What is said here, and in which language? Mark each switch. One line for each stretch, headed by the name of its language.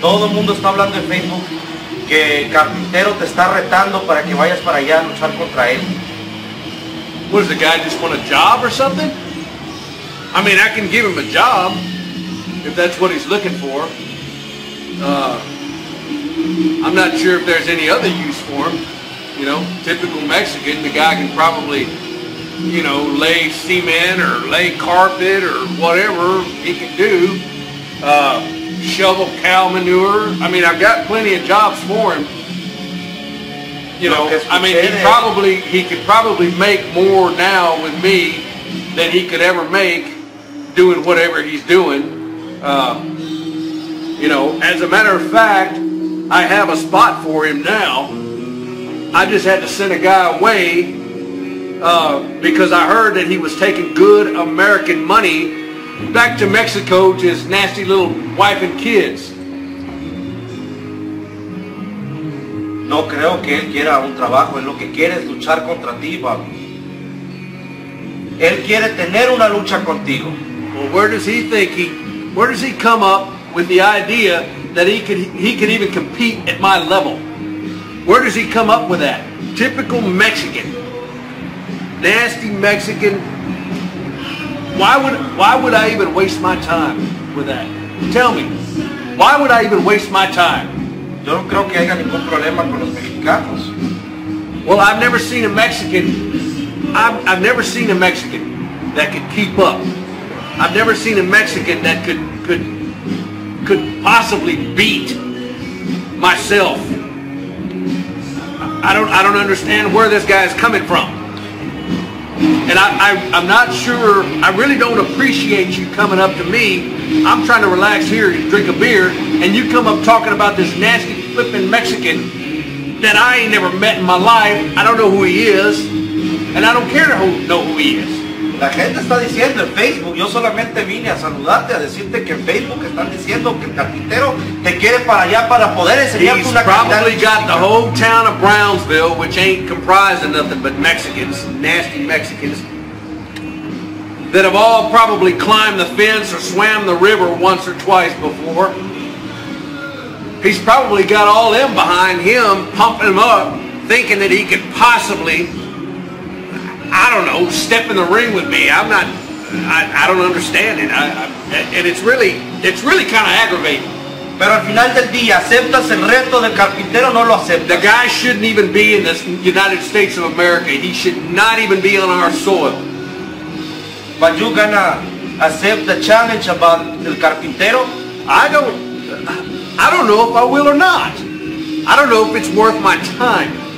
Spanish: Todo el mundo está hablando en Facebook que Carpintero te está retando para que vayas para allá a luchar contra él.
English: What, does the guy just want a job or something? I mean, I can give him a job if that's what he's looking for. I'm not sure if there's any other use for him. You know, typical Mexican, the guy can probably, you know, lay cement or lay carpet or whatever he can do. Shovel cow manure. I mean, I've got plenty of jobs for him. You know, I mean, he could probably make more now with me than he could ever make doing whatever he's doing. You know, as a matter of fact, I have a spot for him now. I just had to send a guy away because I heard that he was taking good American money back to Mexico to his nasty little wife and kids.
Spanish: No creo que él quiera un trabajo. Él lo que quiere es luchar contra ti, Bobby. Él quiere tener una lucha contigo.
English: Well, where does he come up with the idea that he could even compete at my level? Where does he come up with that? Typical Mexican. Nasty Mexican. Why would I even waste my time with that? Tell me. Why would I even waste my time?
Spanish: Yo no creo que haya ningún problema con los mexicanos.
English: Well, I've never seen a Mexican. I've never seen a Mexican that could keep up. I've never seen a Mexican that could possibly beat myself. I don't understand where this guy is coming from. And I'm not sure, I really don't appreciate you coming up to me. I'm trying to relax here and drink a beer, and you come up talking about this nasty flipping Mexican that I ain't never met in my life. I don't know who he is, and I don't care to know who he is.
Spanish: La gente está diciendo en Facebook, yo solamente vine a saludarte, a decirte que en Facebook están diciendo que el Carpintero te quiere para allá para poder enseñarte una cantidad.
English: He's probably got the whole town of Brownsville, which ain't comprised of nothing but Mexicans, nasty Mexicans, that have all probably climbed the fence or swam the river once or twice before. He's probably got all them behind him, pumping him up, thinking that he could possibly, I don't know, step in the ring with me. I don't understand it. And it's really kind of aggravating.
Spanish: Pero al final del día, ¿aceptas el reto del Carpintero o no lo aceptas?
English: The guy shouldn't even be in the United States of America. He should not even be on our soil. But you gonna accept the challenge about el Carpintero? I don't know if I will or not. I don't know if it's worth my time.